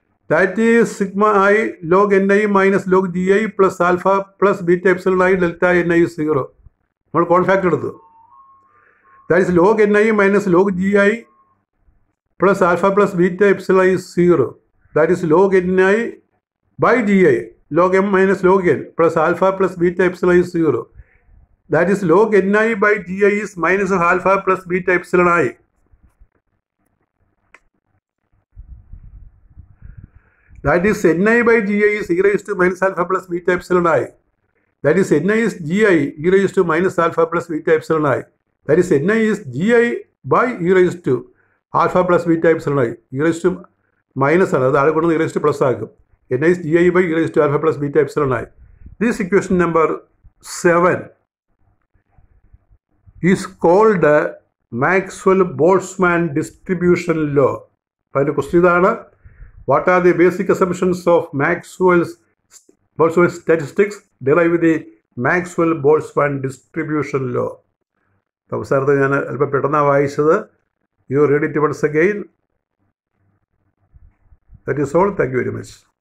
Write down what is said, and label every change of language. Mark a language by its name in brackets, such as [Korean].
[English] That is sigma I log n I minus log g I plus alpha plus beta epsilon I delta n I is 0. [Malayalam] നമ്മൾ കോൺഫാക്ട് എടുത്തു, [English] That is log N I minus log G I plus alpha plus beta epsilon I zero, that is log N I by G I log M minus log N plus alpha plus beta epsilon I zero, that is log N I by G I is minus alpha plus beta epsilon I. That is N I by G I is E raise to minus alpha plus beta epsilon I. That is n i is g i e raised to minus alpha plus beta epsilon i. That is n i is g i by e raised to alpha plus beta epsilon i. E raised to minus another, that is going to e raised to plus aagum. N i is g i by e raised to alpha plus beta epsilon i. This equation number 7 is called Maxwell-Boltzmann distribution law. [Malayalam] Paina question idana, [English] what are the basic assumptions of Maxwell's Boltzmann statistics? Derive the Maxwell Boltzmann distribution law. [Malayalam] അവസാനത്തെ ഞാൻ അല്പം പെട്ടെന്നാണ് വായിച്ചത്. [English] You read it once again. That is all. Thank you very much.